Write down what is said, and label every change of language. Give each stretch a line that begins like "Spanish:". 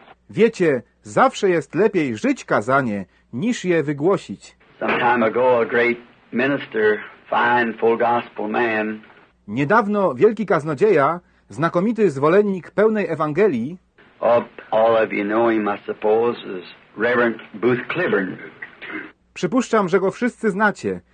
Polish: Wiecie, zawsze jest lepiej żyć kazanie, niż je wygłosić.
English: Some time ago, a great minister, fine, full gospel man.
Polish: Niedawno wielki kaznodzieja, znakomity zwolennik pełnej Ewangelii.
English: All of you know him, I suppose, is Reverend Booth Cliburn.
Polish: Przypuszczam, że go wszyscy znacie.